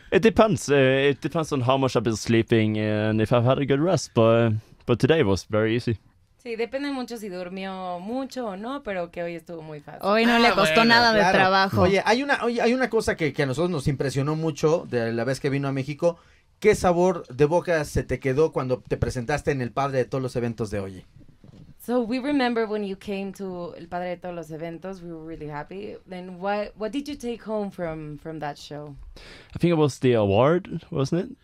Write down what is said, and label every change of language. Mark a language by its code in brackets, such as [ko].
[en] It depends on how much I've been sleeping and if I've had a good rest, but today was very easy. [es] Sí, depende mucho si durmió mucho o no, pero que hoy estuvo muy fácil. Hoy no le costó nada de trabajo. Oye, hay una cosa que a nosotros nos impresionó mucho de la vez que vino a México. ¿Qué sabor de boca se te quedó cuando te presentaste en el padre de todos los eventos de hoy? [en] So we remember when you came to [es] el padre de todos los eventos, [en] we were really happy. Then what did you take home from that show? I think it was the award, wasn't it?